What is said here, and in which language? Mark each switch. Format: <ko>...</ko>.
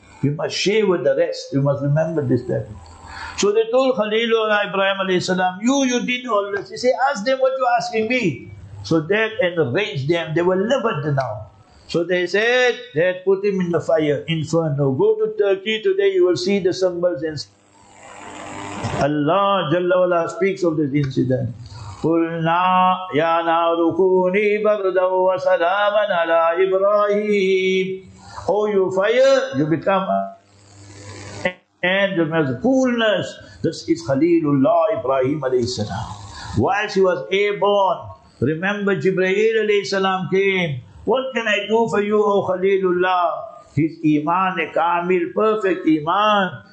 <en>You must share with the rest. You must remember this type. So they told Khalilullah Ibrahim alayhi salam, you did all this. He said, ask them what you're asking me. So that enraged them. They were livid now. So they said, they had put him in the fire, inferno. Go to Turkey today, you will see the symbols. And Allah Jalla wa Ala speaks of this incident.</en> <ar>قُلْنَا يَا نَارُ كُونِي بَرْدًا وَسَلَامًا عَلَىٰ إِبْرَاهِيمٍ.</ar> <en>Oh, you fire, you become And to his fullness, this is Khalilullah Ibrahim alayhi salam. Whilst he was airborne, remember Jibreel alayhi salam came. What can I do for you, O Khalilullah? His iman, a kamil, perfect iman.</en>